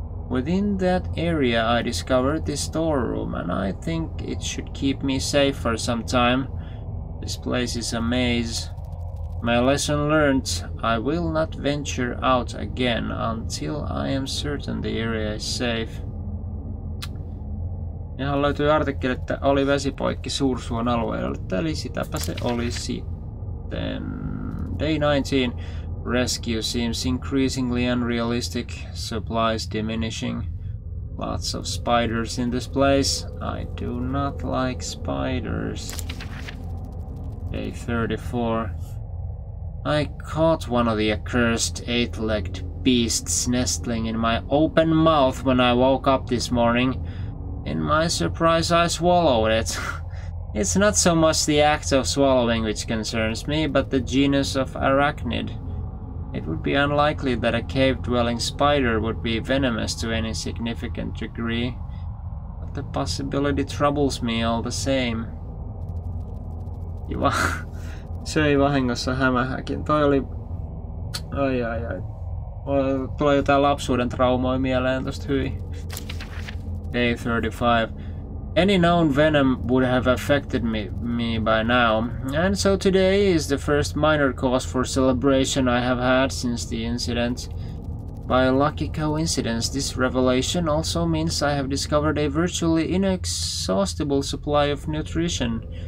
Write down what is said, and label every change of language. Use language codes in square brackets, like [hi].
[en] Within that area I discovered this storeroom, and I think it should keep me safe for some time. This place is a maze. My lesson learned, I will not venture out again until I am certain the area is safe. [fi] Ihan löytyy artikkeli, että oli vesipoikki suursuon alueella. Eli sitäpä se oli sitten. [en] Day 19. Rescue seems increasingly unrealistic. Supplies diminishing. Lots of spiders in this place. I do not like spiders. Day 34. I caught one of the accursed eight-legged beasts nestling in my open mouth when I woke up this morning. In my surprise, I swallowed it. It's not so much the act of swallowing which concerns me, but the genus of arachnid. It would be unlikely that a cave-dwelling spider would be venomous to any significant degree, but the possibility troubles me all the same. [fi] Söi vahingossa hämähäkin. Toi oli... Ai ai ai. Tulee jotain lapsuuden traumoja mieleen tosta, hyi. [en] Day 35. Any known venom would have affected me by now. And so today is the first minor cause for celebration I have had since the incident. By a lucky coincidence, this revelation also means I have discovered a virtually inexhaustible supply of nutrition.